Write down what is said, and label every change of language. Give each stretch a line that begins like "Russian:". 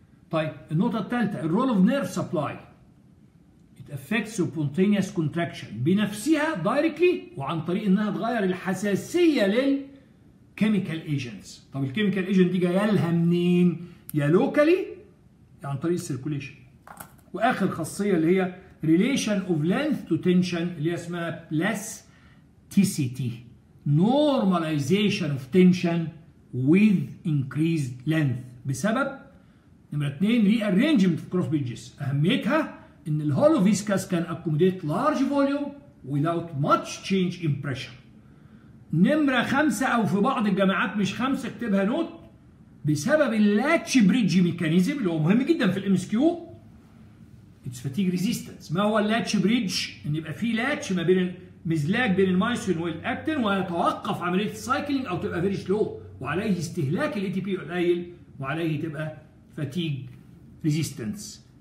Arabic: طيب النقطه الثالثه،
English: الرول of nerve supply at affect spontaneous contraction بنفسها directly,
Arabic: وعن طريق انها تغير الحساسيه للكيميكال
English: Agents.
Arabic: طب الكيميكال ايجنت دي جايه لها منين؟ يا لوكالي يا عن طريق السيركوليشن. واخر خاصيه اللي هي
English: relation of length to tension
Arabic: اللي اسمها plasticity.
English: normalization of tension with increased length
Arabic: بسبب نمرة 2
English: rearrangement of cross bridges.
Arabic: اهميتها ان ال
English: hollow viscous can accommodate large volume without much change in pressure.
Arabic: نمرة 5 او في بعض الجامعات مش 5 اكتبها نوت، بسبب ال latch bridge mechanism اللي هو مهم جدا في الام اس كيو.
English: It's fatigue resistance.
Arabic: ما هو اللاتش بريدج؟ ان يبقى في لاتش ما بين مزلاج بين المايوسين والاكتين ويتوقف عمليه السايكلينج او تبقى فيري سلو وعليه استهلاك الاي تي بي قليل وعليه تبقى فاتيج ريزيستنس.